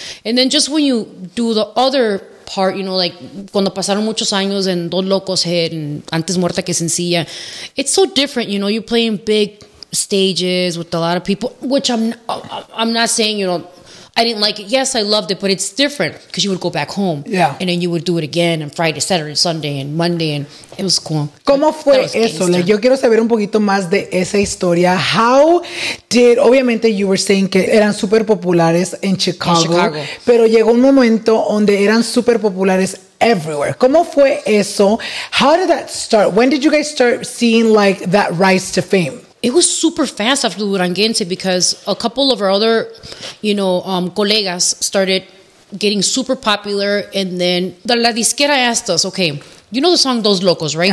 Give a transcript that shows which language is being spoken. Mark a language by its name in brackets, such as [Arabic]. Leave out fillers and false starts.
[English] And then just when you do the other part, you know, like [Spanish] cuando pasaron muchos años [English] and Dos Locos hit and Antes Muerta Que Sencilla, it's so different, you know, you play in big stages with a lot of people, which I'm not saying, you know, I didn't like it. Yes, I loved it, but it's different because you would go back home. Yeah. And then you would do it again on Friday, Saturday, Sunday, and Monday, and it was cool. [Spanish] ¿Cómo fue eso? Like, yo quiero saber un poquito más de esa historia. [English] How did, [Spanish] obviamente, [English] you were saying [Spanish] que eran super populares en Chicago. [English] In Chicago. [Spanish] Pero llegó un momento donde eran super populares everywhere. ¿Cómo fue eso? [English] How did that start? When did you guys start seeing, like, that rise to fame? It was super fast after Duranguense because a couple of our other, you know, colegas started getting super popular. And then la disquera asked us, okay, you know the song Dos Locos, right?